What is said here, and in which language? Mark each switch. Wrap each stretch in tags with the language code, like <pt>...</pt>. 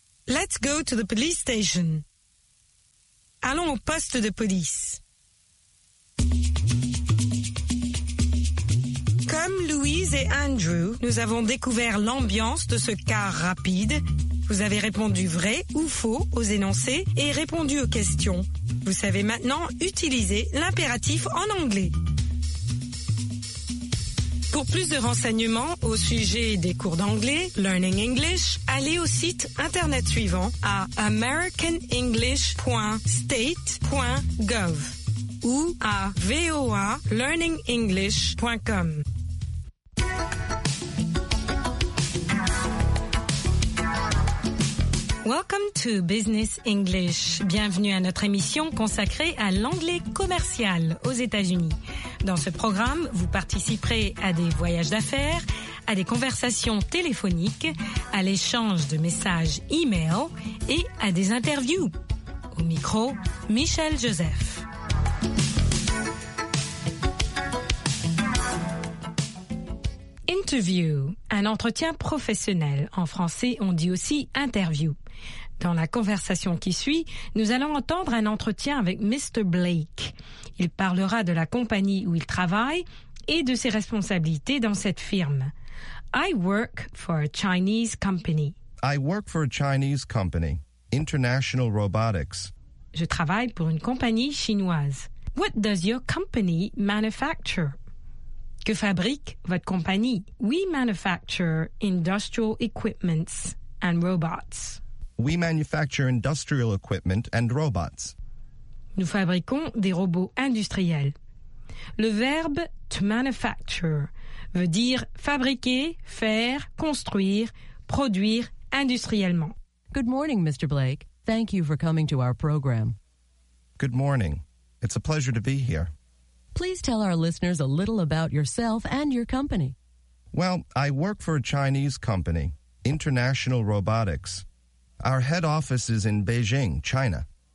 <en>Let's go to the police station.</en> <fr>Allons au poste de police. Comme Louise et Andrew, nous avons découvert l'ambiance de ce car rapide. Vous avez répondu vrai ou faux aux énoncés et répondu aux questions. Vous savez maintenant utiliser l'impératif en anglais. Pour plus de renseignements au sujet des cours d'anglais, Learning English, allez au site internet suivant à americanenglish.state.gov ou à voalearningenglish.com.</fr> <en>Welcome to Business English.</en> <fr>Bienvenue à notre émission consacrée à l'anglais commercial aux États-Unis. Dans ce programme, vous participerez à des voyages d'affaires, à des conversations téléphoniques, à l'échange de messages e-mail et à des interviews. Au micro, Michel Joseph. Interview, un entretien professionnel. En français, on dit aussi interview. Dans la conversation qui suit, nous allons entendre un entretien avec Mr. Blake. Il parlera de la compagnie où il travaille et de ses responsabilités dans cette firme.</fr> <en>I work for a Chinese company. I work for a Chinese company, International Robotics.</en> <fr>Je travaille pour une compagnie chinoise.</fr> <en>What does your company manufacture?</en> <fr>Que fabrique votre compagnie?</fr> <en>We manufacture industrial equipments and robots. We manufacture industrial equipment and robots.</en> <fr>Nous fabriquons des robots industriels. Le verbe to manufacture veut dire fabriquer, faire, construire, produire industriellement.</fr> <en>Good morning, Mr. Blake. Thank you for coming to our program. Good morning. It's a pleasure to be here. Please tell our listeners a little about yourself and your company. Well, I work for a Chinese company, International Robotics. Our head office is in Beijing, China.</en>